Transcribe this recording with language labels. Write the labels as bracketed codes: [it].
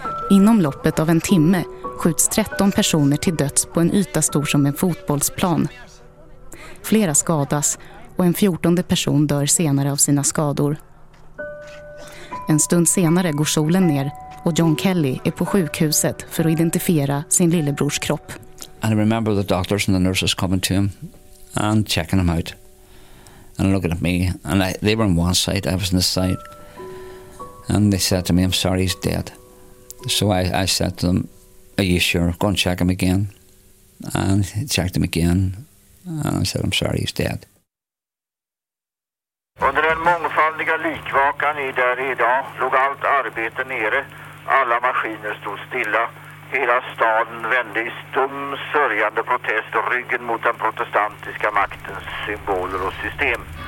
[sv] Inom loppet av en timme skjuts 13 personer till döds på en yta stor som en fotbollsplan. Flera skadas och en 14:e person dör senare av sina skador. En stund senare går solen ner och John Kelly är på sjukhuset för att identifiera sin lillebrors kropp. [en] And I remember the doctors and the nurses coming to him and checking him out. And looking at me, and they were on one side, I was on the side. And they said to me, "I'm sorry, he's dead." So I said to them, "Are you sure? Go and check him again." And I checked him again, and I said, "I'm sorry, he's dead." [sv] Under den mångfaldiga likvakan i där idag låg allt arbete nere. Alla maskiner stod stilla. Hela staden vände i stum, sörjande protest och ryggen mot den protestantiska maktens symboler och system.